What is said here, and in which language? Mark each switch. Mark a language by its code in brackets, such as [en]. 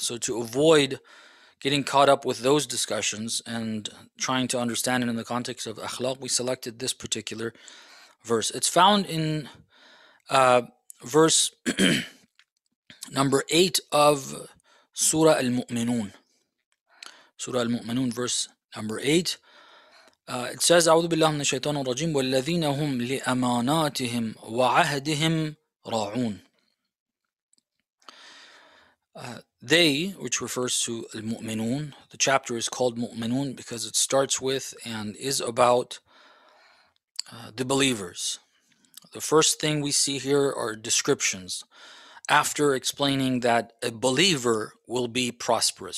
[en] So to avoid getting caught up with those discussions and trying to understand it in the context of akhlaq, we selected this particular verse. It's found in verse number 8 of Surah Al-Mu'minun. Surah Al-Mu'minun, verse number 8. It says, [ar] أعوذ بالله من الشيطان الرجيم والذين هم لأماناتهم وعهدهم راعون. [en] They, which refers to Al-Mu'minun, the chapter is called Mu'minun because it starts with and is about the believers. The first thing we see here are descriptions after explaining that a believer will be prosperous.